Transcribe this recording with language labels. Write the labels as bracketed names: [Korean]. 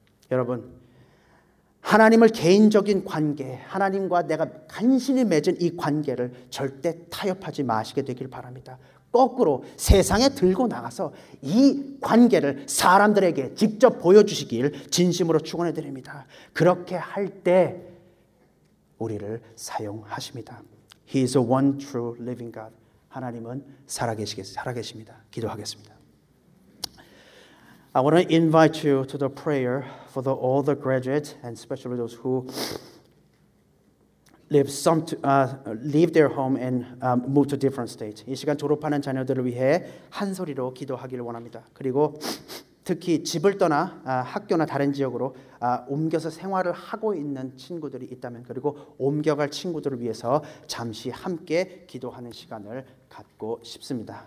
[Korean] 여러분, 하나님을 개인적인 관계, 하나님과 내가 간신히 맺은 이 관계를 절대 타협하지 마시게 되길 바랍니다. 거꾸로 세상에 들고 나가서 이 관계를 사람들에게 직접 보여주시길 진심으로 축원해 드립니다. 그렇게 할 때 우리를 사용하십니다. [English] He is the one true living God. [Korean] 하나님은 살아계십니다. 기도하겠습니다. [English] I want to invite you to the prayer for the, all the graduates and especially those who leave their home and move to different states. [Korean] 이 시간 졸업하는 자녀들을 위해 한 소리로 기도하기를 원합니다. 그리고 특히 집을 떠나 학교나 다른 지역으로 옮겨서 생활을 하고 있는 친구들이 있다면 그리고 옮겨갈 친구들을 위해서 잠시 함께 기도하는 시간을 갖고 싶습니다.